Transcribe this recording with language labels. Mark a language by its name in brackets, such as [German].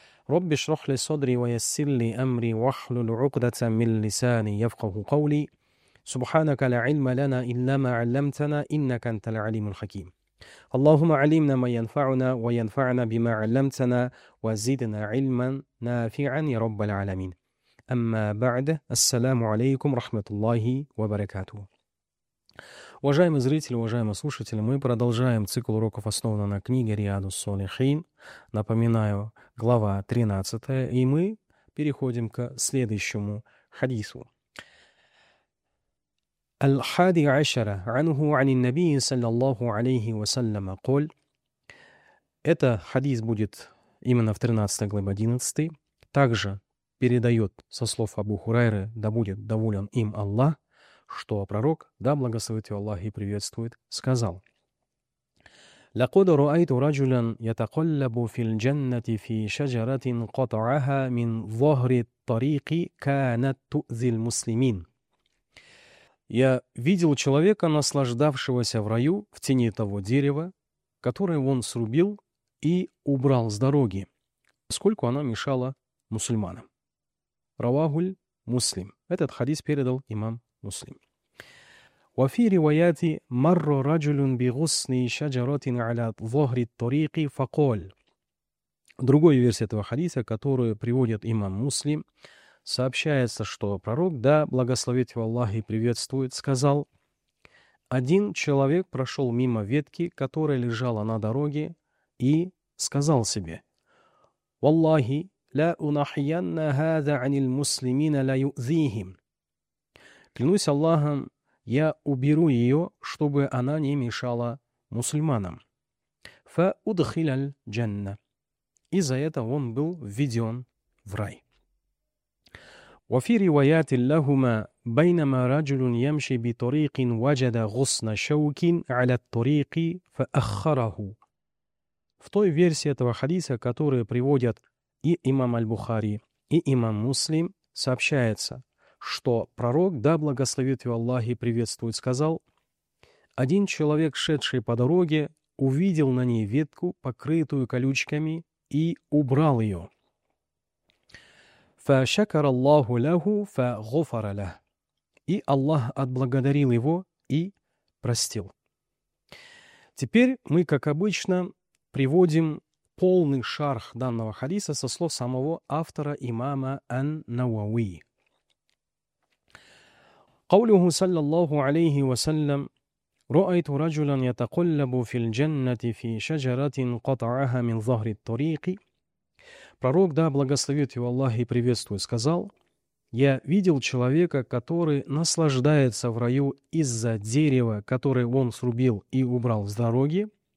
[Arabic] رب اشرح لي صدري ويسر لي أمري واحلل عقدة من لساني يفقه قولي سبحانك لا علم لنا إلا ما علمتنا إنك أنت العليم الحكيم اللهم علمنا ما ينفعنا وينفعنا بما علمتنا وزدنا علما نافعا يا رب العالمين أما بعد السلام عليكم ورحمة الله وبركاته [Russian] Уважаемые зрители, уважаемые слушатели, мы продолжаем цикл уроков, основанный на книге Риаду Солихин. Напоминаю, глава 13, и мы переходим к следующему хадису. [Arabic] الحادي عشر عنه عن النبي صلى الله عليه وسلم قال [Russian] Это хадис будет именно в 13 главе 11. Также передает со слов Абу Хурайры, да будет доволен им Аллах, что пророк, да благословит его Аллах и приветствует, сказал [Arabic] لقد رأيت رجلا يتقلب في الجنة في شجرة قطعها من ظهر الطريق كانت تؤذي المسلمين. [Russian] Я видел человека, наслаждавшегося в раю в тени того дерева, которое он срубил и убрал с дороги, поскольку она мешала мусульманам. Равахуль Муслим. Этот хадис передал имам Муслим. [Arabic] وفي روايات مر رجل بغصن شجرة على ظهر الطريق فقال. [Russian] Другая версия этого хадиса, которую приводит имам Муслим, сообщается, что пророк, да благословит его Аллах и приветствует, сказал: «Один человек прошел мимо ветки, которая лежала на дороге, и сказал себе: [Arabic] «Валлахи, ла унахьянна хаза аниль муслимина ла юзихим». [Russian] Клянусь Аллахом, я уберу ее, чтобы она не мешала мусульманам». [Arabic] «Фа удхиляль джанна». [Russian] И за это он был введен в рай. [Arabic] وفي روايات لهما بينما رجل يمشي بطريق وجد غصن شوك على الطريق فأخره. [Russian] В той версии этого хадиса, которую приводят и имам аль-Бухари, и имам Муслим, сообщается, что пророк, да благословит его Аллах и приветствует, сказал: «Один человек, шедший по дороге, увидел на ней ветку, покрытую колючками, и убрал ее». [Arabic] فشكر الله له فغفر له. [Russian] И Аллах отблагодарил его и простил. Теперь мы, как обычно, приводим полный шарх данного хадиса со слов самого автора имама ан-Науи. [Arabic] قوله صلى الله عليه وسلم رأيت رجلا يتقلب في الجنة في شجرة قطعها من ظهر الطريق. [Russian] Пророк, да благословит его Аллах и приветствует, сказал: «Я видел человека, который наслаждается в раю из-за дерева, которое он срубил и убрал с дороги».